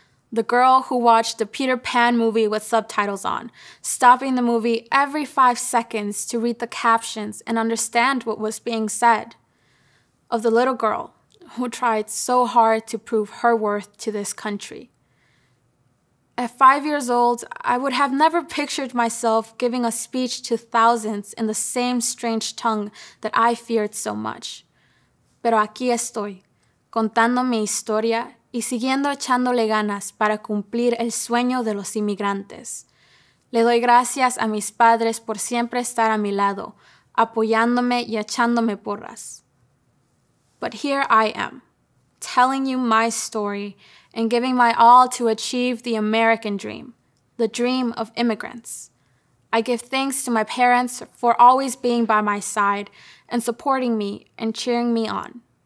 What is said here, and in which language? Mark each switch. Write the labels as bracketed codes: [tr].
[en] the girl who watched the Peter Pan movie with subtitles on, stopping the movie every 5 seconds to read the captions and understand what was being said, of the little girl who tried so hard to prove her worth to this country. At 5 years old, I would have never pictured myself giving a speech to thousands in the same strange tongue that I feared so much. [es] Pero aquí estoy, contando mi historia y siguiendo echándole ganas para cumplir el sueño de los inmigrantes. Le doy gracias a mis padres por siempre estar a mi lado, apoyándome y echándome porras. [en] But here I am, telling you my story and giving my all to achieve the American dream, the dream of immigrants. I give thanks to my parents for always being by my side and supporting me and cheering me on.